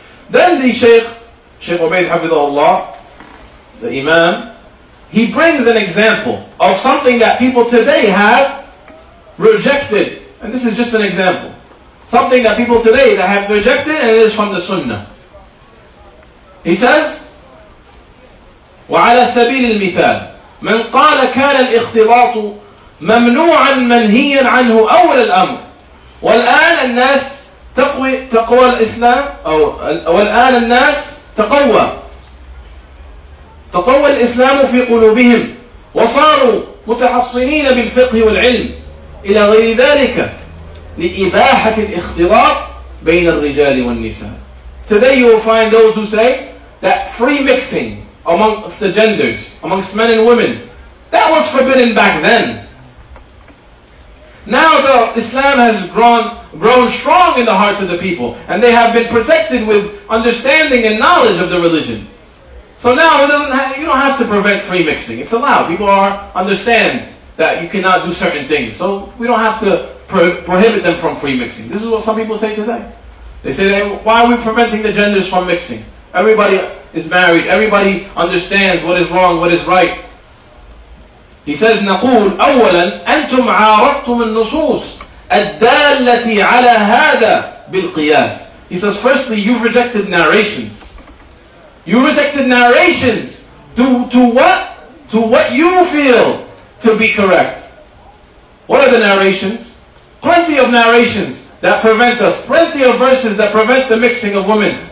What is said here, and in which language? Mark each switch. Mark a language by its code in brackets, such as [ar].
[en] Then the Shaykh Ubayd hafidhahullah, the Imam, he brings an example of something that people today have rejected. And this is just an example. Something that people today that have rejected, and it is from the Sunnah. He says, [ar] وَعَلَى سَبِيلِ الْمِثَالِ مَنْ قَالَ كَانَ الْإِخْتِلَاطُ مَمْنُوعًا مَنْهِيًا عَنْهُ أَوْلَ الْأَمْرِ وَالْآنَ النَّاسِ تقوى الإسلام أو والآن الناس تقوى الإسلام في قلوبهم وصاروا متحصنين بالفقه والعلم إلى غير ذلك لإباحة الاختلاط بين الرجال والنساء. [en] Today you will find those who say that free mixing amongst the genders, amongst men and women, that was forbidden back then. Now the Islam has grown strong in the hearts of the people, and they have been protected with understanding and knowledge of the religion. So now you don't have to prevent free mixing. It's allowed. People understand that you cannot do certain things. So we don't have to prohibit them from free mixing. This is what some people say today. They say, why are we preventing the genders from mixing? Everybody is married. Everybody understands what is wrong, what is right. He says, [ar] نقول أولا أنتم عارضتم النصوص الدالة على هذا بالقياس. [en] He says, firstly, you've rejected narrations. You rejected narrations to what? To what you feel to be correct. What are the narrations? Plenty of narrations that prevent us. Plenty of verses that prevent the mixing of women.